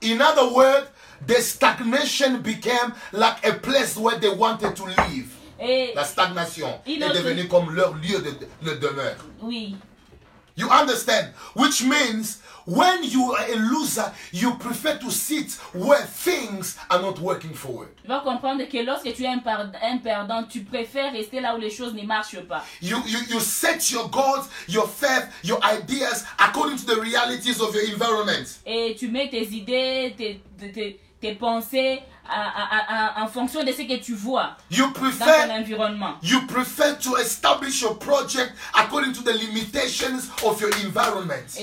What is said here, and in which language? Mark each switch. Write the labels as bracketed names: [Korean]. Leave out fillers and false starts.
[English] In other words, the stagnation became like a place where they wanted to live. [French] Et la stagnation est devenue comme leur lieu de demeure. Oui. [English] You understand? Which means, when you are a loser, you prefer to sit where things are not working forward. [French] Tu vas comprendre que lorsque tu es un perdant, tu préfères rester là où les choses ne marchent pas. [English] You set your goals, your faith, your ideas according to the realities of your environment. [French] Et tu mets tes idées, tes pensées en fonction de ce que tu vois dans ton environnement. [English] You prefer to establish your project according to the limitations of your environment.